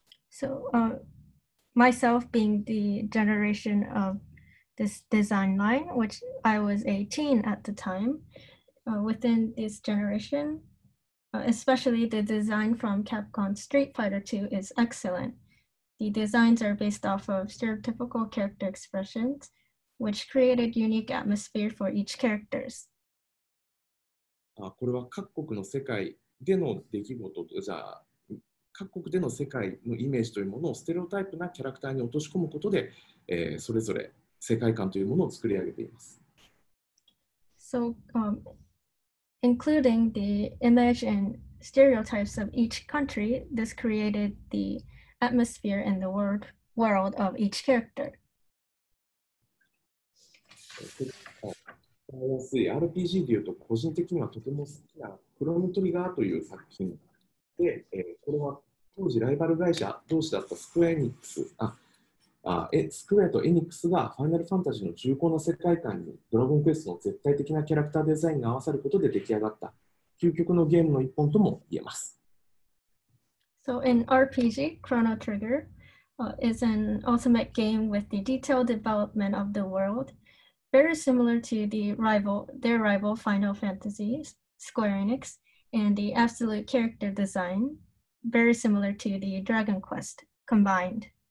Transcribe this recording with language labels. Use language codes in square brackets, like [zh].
[en] So, myself being the generation of this design line, which I was 18 at the time, within this generation, especially the design from Capcom Street Fighter 2 is excellent. The designs are based off of stereotypical character expressions, which created unique atmosphere for each characters. [ja] これは各国の世界での出来事と、じゃあ各国での世界のイメージというものをステレオタイプなキャラクターに落とし込むことで、それぞれ世界観というものを作り上げています。 [en] So, including the image and stereotypes of each country, this created the atmosphere and the world of each character. [ja] RPG でいうと個人的にはとても好きなクロノトリガーという作品で、これは当時ライバル会社同士だったスクエアニックス、スクエアとエニックスがファイナルファンタジーの重厚な世界観にドラゴンクエストの絶対的なキャラクターデザインが合わさることで出来上がった究極のゲームの一本とも言えます。 [en] So in RPG, Chrono Trigger, is an ultimate game with the detailed development of the world. Very similar to their rival Final Fantasy, Square Enix, and the absolute character design, very similar to the Dragon Quest combined.